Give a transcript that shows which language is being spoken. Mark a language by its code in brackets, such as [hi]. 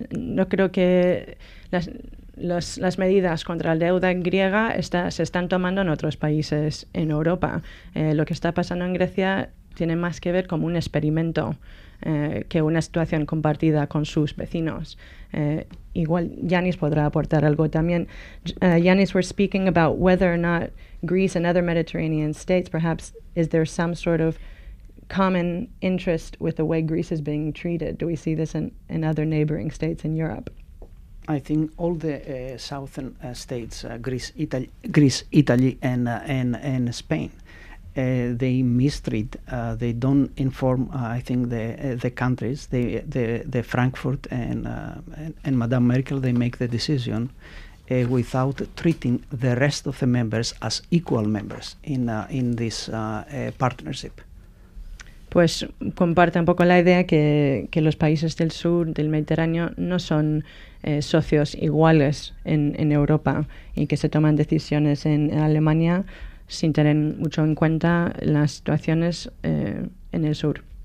[es] No creo que las medidas contra la deuda griega se están tomando en otros países en Europa. Lo que está pasando en Grecia tiene más que ver como un experimento que una situación compartida con sus vecinos. Igual Yanis podrá aportar algo también. [en] Yanis, we're speaking about whether or not Greece and other Mediterranean states, perhaps, is there some sort of common interest with the way Greece is being treated? Do we see this in other neighboring states in Europe? I think all the southern states, Greece, Italy, and Spain, they mistreat. They don't inform. I think the countries, the Frankfurt and Madame Merkel, they make the decision without treating the rest of the members as equal members in this partnership. [es] Pues comparte un poco la idea que los países del sur, del Mediterráneo, no son socios iguales en Europa y que se toman decisiones en Alemania sin tener mucho en cuenta las situaciones en el sur.